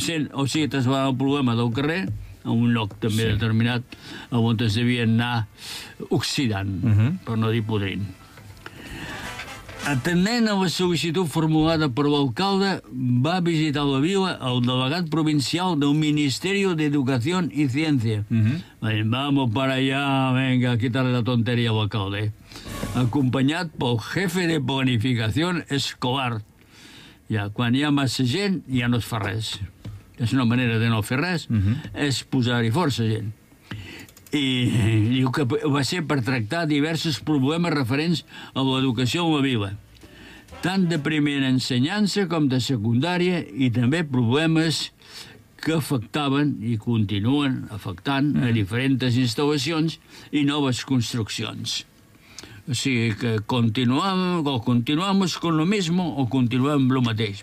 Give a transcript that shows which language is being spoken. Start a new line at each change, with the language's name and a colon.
Catalan: O sigui, te'n va el problema del carrer, a un lloc també determinat, on es devien anar oxidant, per no dir podrint. Atenent a la sol·licitud formulada per l'alcalde, va visitar la vila el delegat provincial del Ministeri d'Educació i Ciència.
Spanish: Vamos para allá, venga, quitarle la tontería al alcalde.
Catalan: Acompanyat pel jefe de planificació escolar. Ja, quan hi ha massa gent, ja no es fa res. És una manera de no fer res, és posar-hi força, gent. I diu que va ser per tractar diversos problemes referents a l'educació en la vila, tant de primera ensenyança com de secundària, i també problemes que afectaven i continuen afectant a diferents instal·lacions i noves construccions. O sigui que
Spanish: continuamos con lo mismo
Catalan: o continuem lo mateix.